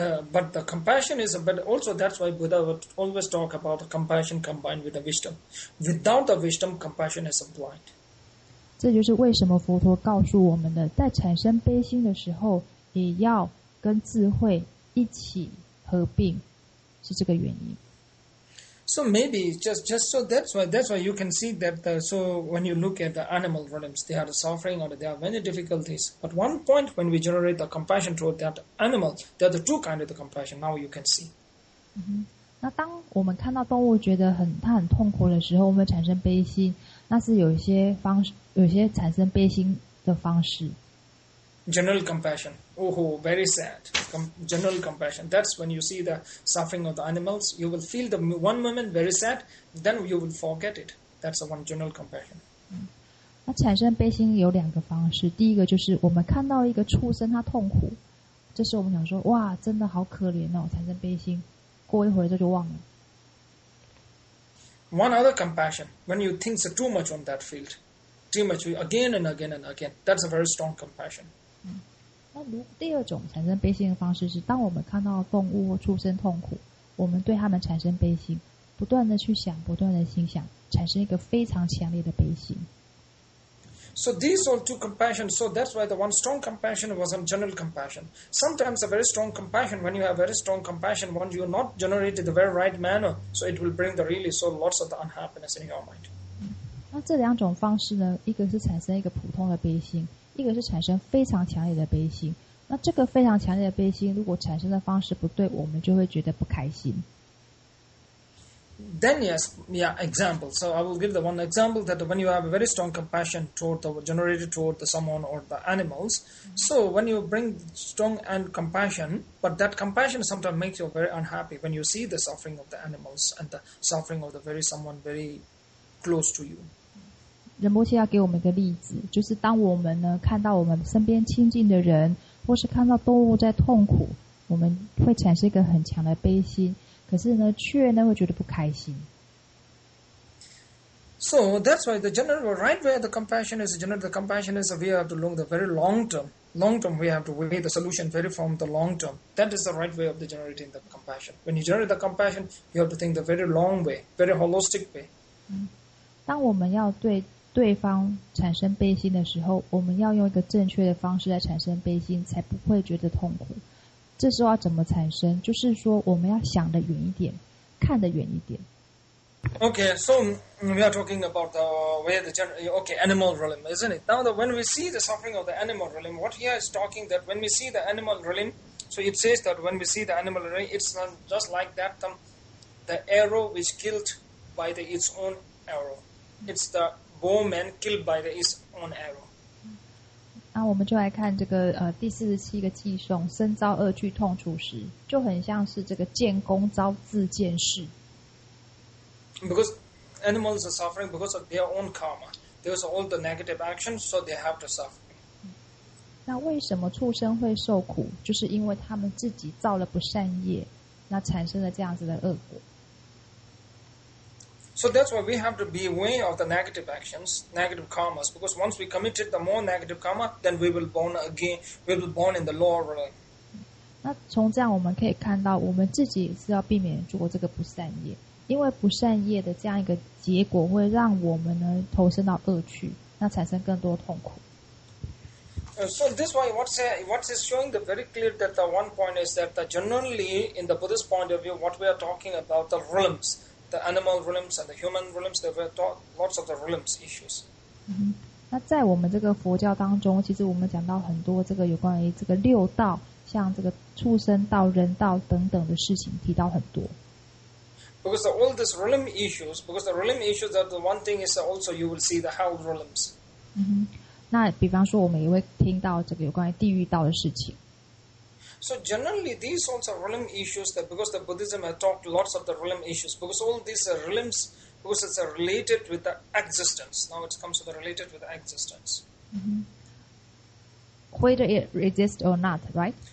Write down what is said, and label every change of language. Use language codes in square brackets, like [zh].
[en] But the compassion is, but also that's why Buddha would always talk about compassion combined with the wisdom. Without the wisdom, compassion is blind. [zh] 这就是为什么佛陀告诉我们的，在产生悲心的时候，也要跟智慧一起合并，是这个原因。 [en] So maybe just so that's why you can see that the, so when you look at the animal realms, they are suffering or they have many difficulties. But one point when we generate the compassion toward that animal, there are the two kinds of the compassion. Now you can see. [zh] 那当我们看到动物觉得它很痛苦的时候，我们产生悲心，那是有些产生悲心的方式。 [en] General compassion. Oh, very sad. General compassion. That's when you see the suffering of the animals. You will feel the one moment very sad, then you will forget it. That's the one general compassion. [zh] 那产生悲心有两个方式。第一个就是我们看到一个畜生他痛苦，这时我们想说，哇，真的好可怜哦，产生悲心。过一会儿就忘了。 [en] One other compassion. When you think too much on that field, too much again and again and again. That's a very strong compassion. [zh] 第二种产生悲心的方式是，当我们看到动物或畜生痛苦，我们对他们产生悲心，不断的去想，不断的心想，产生一个非常强烈的悲心。 [en] So these are two compassion. So that's why the one strong compassion was a general compassion. Sometimes a very strong compassion. When you have very strong compassion, once you not generate the very right manner, so it will bring the really so lots of the unhappiness in your mind. [zh] 那这两种方式呢？一个是产生一个普通的悲心。一个是产生非常强烈的悲心，那这个非常强烈的悲心，如果产生的方式不对，我们就会觉得不开心。 [en] Then yes, yeah, example. So I will give the one example that when you have a very strong compassion toward the generated toward the someone or the animals. So when you bring strong and compassion, but that compassion sometimes makes you very unhappy when you see the suffering of the animals and the suffering of the very someone very close to you. [zh] 仁波切要给我们一个例子，就是当我们呢看到我们身边亲近的人，或是看到动物在痛苦，我们会产生一个很强的悲心，可是呢，却呢会觉得不开心。 [en] So that's why the general right where the compassion is, general the compassion is we have to look the very long term. Long term we have to weigh the solution very from the long term. That is the right way of the generating the compassion. When you generate the compassion, you have to think the very long way, very holistic way. [zh] 当我们要对方产生悲心的时候，我们要用一个正确的方式来产生悲心，才不会觉得痛苦。这时候要怎么产生？就是说，我们要想得远一点，看得远一点。 [en] Okay, so we are talking about the where the animal realm, isn't it? Now, when we see the suffering of the animal realm, what he is talking that when we see the animal realm, so it says that when we see the animal realm, it's just like that the arrow which killed by the its own arrow. It's the bowman killed by his own arrow. [zh] 那我们就来看这个第四十七个偈颂，身遭恶趣痛楚时，就很像是这个箭弓遭自箭矢。 [en] Because animals are suffering because of their own karma, there's all the negative actions, so they have to suffer. [zh] 那为什么畜生会受苦？就是因为他们自己造了不善业，那产生了这样子的恶果。 [en] So that's why we have to be aware of the negative actions, negative karmas. Because once we committed the more negative karma, then we will born again. We will born in the lower realm. [zh] 那从这样我们可以看到，我们自己也是要避免做这个不善业，因为不善业的这样一个结果会让我们呢投身到恶趣，那产生更多痛苦。 [en] So this way, what is showing the very clear that the one point is that the generally in the Buddhist point of view, what we are talking about the realms. The animal realms and the human realms, there were lots of the realms issues. [zh] 那在我们这个佛教当中，其实我们讲到很多这个有关于这个六道，像这个畜生道、人道等等的事情，提到很多。 [en] Because the, all these realm issues, because the realm issues are the one thing is also you will see the hell realms. [zh] 那比方说，我们也会听到这个有关于地狱道的事情。 [en] So generally, these sorts of realm issues, that because the Buddhism has talked lots of the realm issues, because all these are realms, because it's related with the existence. Now it comes to the related with the existence. Whether it exists or not, right?